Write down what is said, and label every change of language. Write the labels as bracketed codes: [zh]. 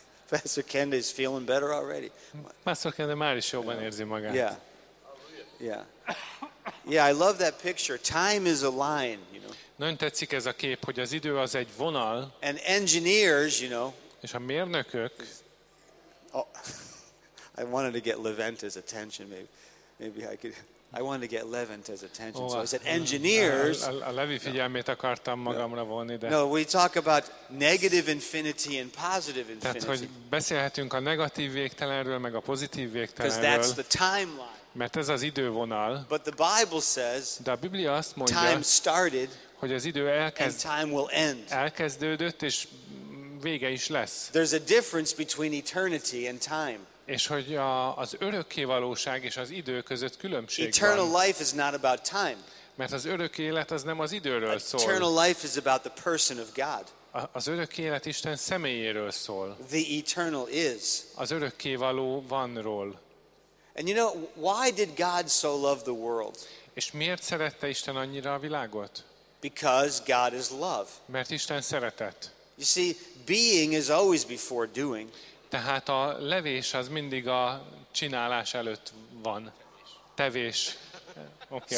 [en] Pastor Kendi is feeling better already. [hu] Pastor Kendi már is jobban érzi magát. [en] Yeah. Yeah. Yeah, I love that picture. Time is a line, you know. [hu] Nagyon tetszik ez a kép, hogy az idő az egy vonal. [en] And engineers, you know. [hu] És a mérnökök. [en] Oh, I wanted to get Levente's attention, maybe I could. I wanted to get Levente's attention. Oh, so I said engineers. [hu] A Levi figyelmét akartam magamra vonni, de. [en] No, we talk about negative infinity and positive infinity. [hu] Tehát, hogy beszélhetünk a negatív végtelenről meg a pozitív végtelenről. [en] Because that's the timeline. [hu] Mert ez az idővonal. [en] But the Bible says, [hu] de a Biblia azt mondja, [en] time started, [hu] hogy az idő elkezdődött és vége is lesz. [en] There's a difference between eternity and time. [hu] És hogy az örökkévalóság és az idő között különbség van. [en] Eternal life is not about time. [hu] Mert az örök élet az nem az időről szól. [en] Eternal life is about the person of God. [hu] Az örök élet Isten személyéről szól. [en] The eternal is. [hu] Az örökkévaló vanról. [en] And you know, why did God so love the world? [hu] És miért szerette Isten annyira a világot? [en] Because God is love. [hu] Mert Isten szeretet. [en] You see, being is always before doing. [hu] Tehát a levés az mindig a csinálás előtt van. Tevés. Okay.